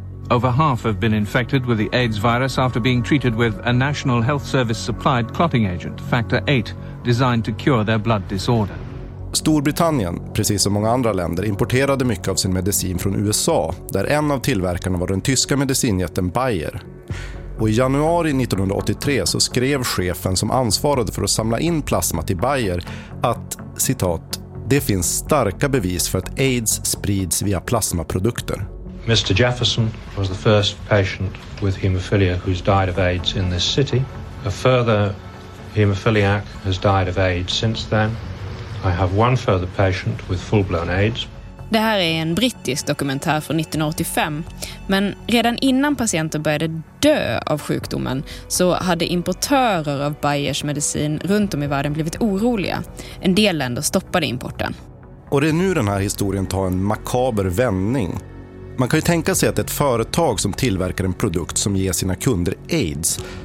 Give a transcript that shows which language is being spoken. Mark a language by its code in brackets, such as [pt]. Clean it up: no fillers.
[en] Over half have been infected with the AIDS virus after being treated with a National Health Service supplied clotting agent, factor 8, designed to cure their blood disorder. [sv] Storbritannien, precis som många andra länder, importerade mycket av sin medicin från USA, där en av tillverkarna var den tyska medicinjätten Bayer. Och i januari 1983 så skrev chefen som ansvarade för att samla in plasma till Bayer att, citat, det finns starka bevis för att AIDS sprids via plasmaprodukter. [en] Mr. Jefferson was the first patient with hemophilia who's died of AIDS in this city. A further hemophiliac has died of AIDS since then. I have one further patient with full-blown AIDS. [sv] Det här är en brittisk dokumentär från 1985. Men redan innan patienter började dö av sjukdomen så hade importörer av Bayers medicin runt om i världen blivit oroliga. En del länder stoppade importen. Och det är nu den här historien tar en makaber vändning. Man kan ju tänka sig att ett företag som tillverkar en produkt som ger sina kunder AIDS